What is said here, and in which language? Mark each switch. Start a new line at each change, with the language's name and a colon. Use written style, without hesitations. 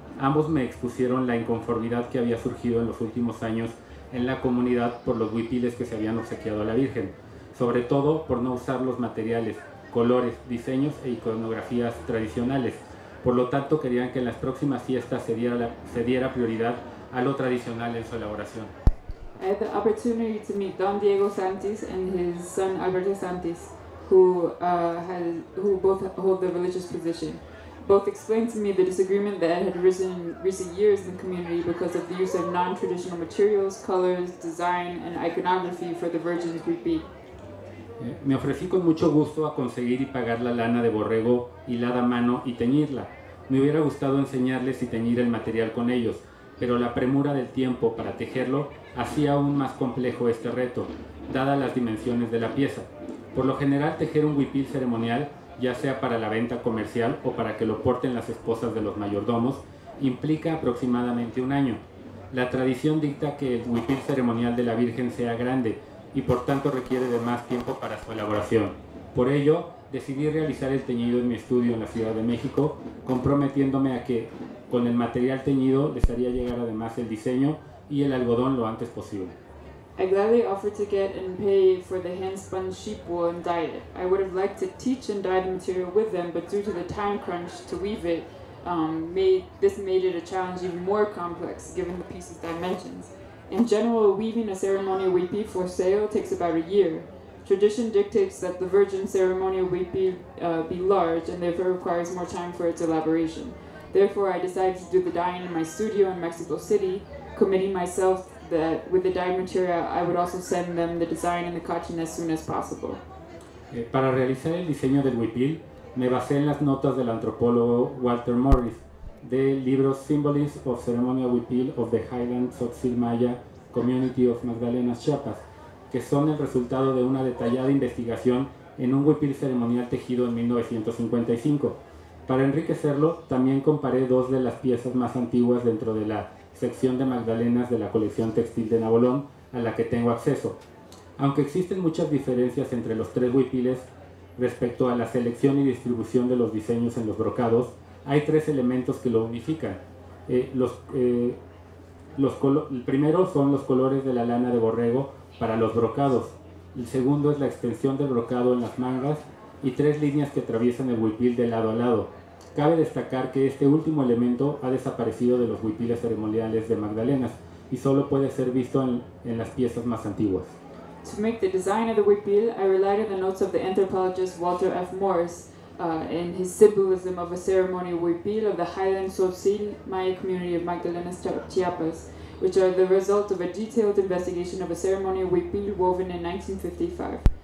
Spanish: Ambos me expusieron la inconformidad que había surgido en los últimos años en la comunidad por los huipiles que se habían obsequiado a la Virgen, sobre todo por no usar los materiales, colores, diseños e iconografías tradicionales. Por lo tanto, querían que en las próximas fiestas se diera prioridad a lo tradicional en su elaboración.
English: I had the opportunity to meet don Diego Santis and his son Alberto Santis, who both hold the religious position. Both explained to me the disagreement that had arisen in recent years in the community because of the use of non-traditional materials, colors, design, and iconography for the Virgin's huipil.
Spanish: Me ofrecí con mucho gusto a conseguir y pagar la lana de borrego hilada a mano y teñirla. Me hubiera gustado enseñarles y teñir el material con ellos, pero la premura del tiempo para tejerlo hacía aún más complejo este reto, dadas las dimensiones de la pieza. Por lo general, tejer un huipil ceremonial, ya sea para la venta comercial o para que lo porten las esposas de los mayordomos, implica aproximadamente un año. La tradición dicta que el huipil ceremonial de la Virgen sea grande y por tanto requiere de más tiempo para su elaboración. Por ello, decidí realizar el teñido en mi estudio en la Ciudad de México, comprometiéndome a que con el material teñido les haría llegar además el diseño y el algodón lo antes posible.
English: I gladly offered to get and pay for the hand-spun sheep wool and dye it. I would have liked to teach and dye the material with them, but due to the time crunch to weave it, this made it a challenge even more complex given the piece's dimensions. In general, weaving a ceremonial huipil for sale takes about a year. Tradition dictates that the virgin ceremonial huipil be large and therefore requires more time for its elaboration. Therefore, I decided to do the dyeing in my studio in Mexico City, committing myself that with the dyed material, I would also send them the design and the cotton as soon as possible.
Spanish: Para realizar el diseño del huipil, me basé en las notas del antropólogo Walter Morris, del libro Symbolism of Ceremonial Huipil of the Highland Tzotzil Maya Community of Magdalena, Chiapas, que son el resultado de una detallada investigación en un huipil ceremonial tejido en 1955. Para enriquecerlo, también comparé dos de las piezas más antiguas dentro de la sección de magdalenas de la colección textil de Navolón a la que tengo acceso. Aunque existen muchas diferencias entre los tres huipiles respecto a la selección y distribución de los diseños en los brocados, hay tres elementos que lo unifican. El primero son los colores de la lana de borrego para los brocados. El segundo es la extensión del brocado en las mangas y tres líneas que atraviesan el huipil de lado a lado. Cabe destacar que este último elemento ha desaparecido de los huipiles ceremoniales de Magdalenas y solo puede ser visto en las piezas más antiguas.
English: To make the design of the huipil, I relied on the notes of the anthropologist Walter F. Morris in his Symbolism of a Ceremonial Huipil of the Highland Tzotzil Maya Community of Magdalenas, Chiapas, which are the result of a detailed investigation of a ceremonial huipil woven in 1955.